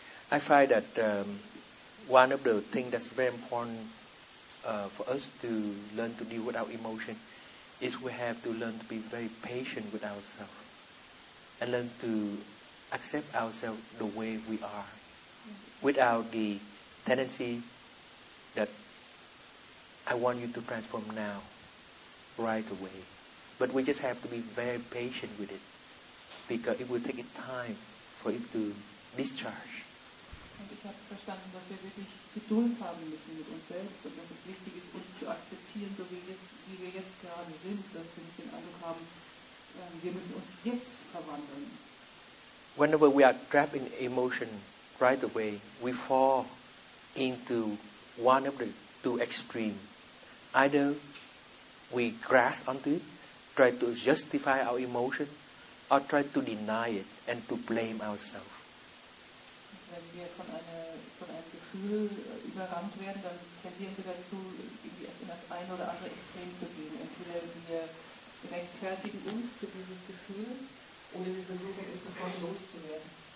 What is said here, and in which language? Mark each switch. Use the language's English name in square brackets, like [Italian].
[English] I find that one of the things that's very important for us to learn to deal with our emotion is we have to learn to be very patient with ourselves and learn to accept ourselves the way we are without the tendency that I want you to transform now, right away. But we just have to be very patient with it because it will take it time for it to discharge. [German] Und ich habe verstanden, dass wir wirklich Geduld haben müssen mit uns selbst und dass es wichtig ist, uns zu akzeptieren, so wie wir jetzt gerade sind, dass wir nicht den Eindruck haben, wir müssen uns jetzt verwandeln. [English] Whenever we are trapped in emotion right away, we fall into one of the two extremes. Either we grasp onto it, try to justify our emotion, or try to deny it and to blame ourselves. [German] Wenn wir von einem Gefühl überrannt werden, dann tendieren wir dazu, irgendwie in das eine oder andere Extrem zu gehen. Entweder wir rechtfertigen uns für dieses Gefühl, oder wir versuchen es sofort loszuwerden.